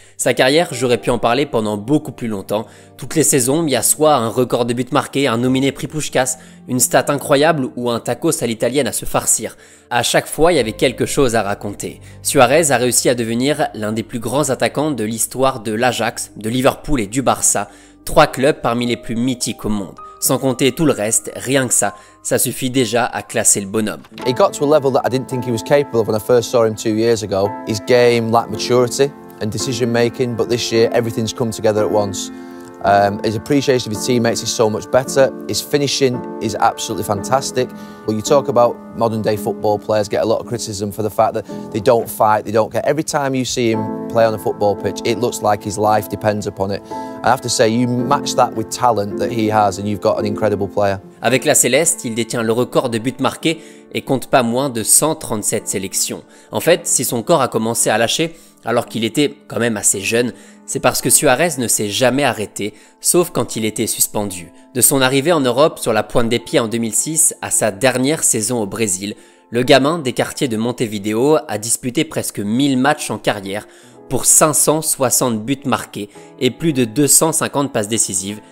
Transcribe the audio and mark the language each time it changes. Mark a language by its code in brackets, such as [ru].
[fr] Sa carrière, j'aurais pu en parler pendant beaucoup plus longtemps. Toutes les saisons, il y a soit un record de buts marqués, un nominé prix Puskás, une stat incroyable ou un tacos à l'italienne à se farcir. À chaque fois, il y avait quelque chose à raconter. Suarez a réussi à devenir l'un des plus grands attaquants de l'histoire de l'Ajax, de Liverpool et du Barça, trois clubs parmi les plus mythiques au monde. Sans compter tout le reste, rien que ça, ça suffit déjà à classer le bonhomme. [en] He got to a level that I didn't think he was capable of when I first saw him 2 years ago. His game lacked maturity and decision making, but this year everything's come together at once. His appreciation of his teammates is so much better. His finishing is absolutely fantastic. But you talk about modern day football players get a lot of criticism for the fact that they don't fight, they don't care. Every time you see him play on a football pitch, it looks like his life depends upon it. I have to say, you match that with talent that he has and you've got an incredible player. [fr] Avec la Céleste, il détient le record de buts marqués et compte pas moins de 137 sélections. En fait, si son corps a commencé à lâcher, alors qu'il était quand même assez jeune, c'est parce que Suarez ne s'est jamais arrêté, sauf quand il était suspendu. De son arrivée en Europe sur la pointe des pieds en 2006 à sa dernière saison au Brésil, le gamin des quartiers de Montevideo a disputé presque 1000 matchs en carrière pour 560 buts marqués et plus de 250 passes décisives.